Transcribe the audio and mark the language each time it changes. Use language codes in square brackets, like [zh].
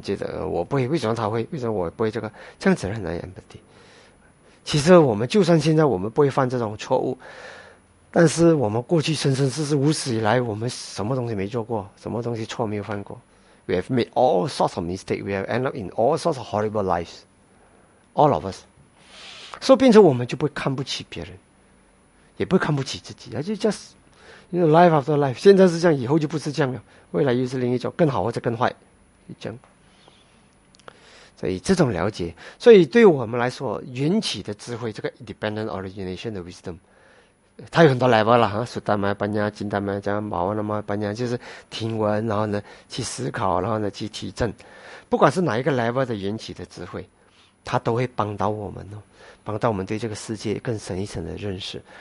[zh] 觉得我不会，为什么他会？为什么我不会这个？这样子很难有 empathy。其实我们就算现在我们不会犯这种错误，但是我们过去生生世世无始以来，我们什么东西没做过，什么东西错没有犯过 ？ We have made all sorts of mistakes. [en] We have ended up in all sorts of horrible lives. [zh] All of us，所以变成我们就不会看不起别人，也不会看不起自己，而且 just you know, life after life，现在是这样，以后就不是这样了，未来又是另一种，更好或者更坏，就这样。所以这种了解，所以对我们来说，缘起的智慧，这个 dependent origination 的 wisdom， 它有很多 level 啦，苏丹麦班亚、金丹麦加、马瓦那麦班亚，就是听闻，然后呢去思考，然后呢去提振，不管是哪一个 level 的缘起的智慧，它都会帮到我们哦，帮到我们对这个世界更深一层的认识。